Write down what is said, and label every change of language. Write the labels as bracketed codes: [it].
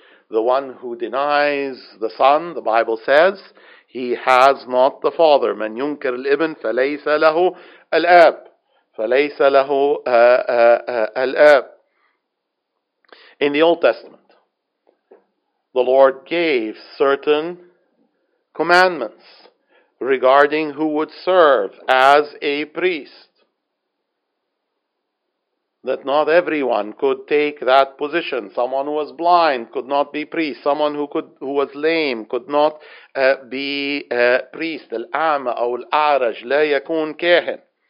[en] The one who denies the Son, the Bible says, he has not the Father. [ar] من ينكر الابن فليس له الاب. فليس له الاب. [en] In the Old Testament, the Lord gave certain commandments regarding who would serve as a priest, that not everyone could take that position. Someone who was blind could not be priest. Someone who was lame could not be a priest. [ar] الأعمى أو الأعرج لا يكون كاهن.